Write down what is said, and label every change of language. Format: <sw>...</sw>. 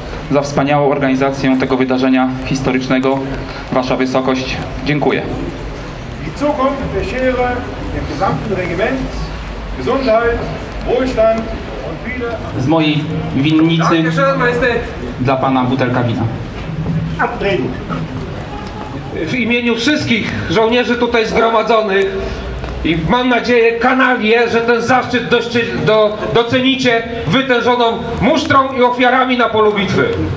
<pl>Za wspaniałą organizację tego wydarzenia historycznego, Wasza Wysokość, dziękuję.</pl> <de>Zukunft beschere dem gesamten Regiment Gesundheit, Wohlstand und viele.</de> <pl>Z mojej winnicy dla pana butelka wina.</pl> <de>Abtreten.</de> <pl>W imieniu wszystkich żołnierzy tutaj zgromadzonych i mam nadzieję, kanalie, że ten zaszczyt docenicie wytężoną musztrą i ofiarami na polu bitwy.</pl>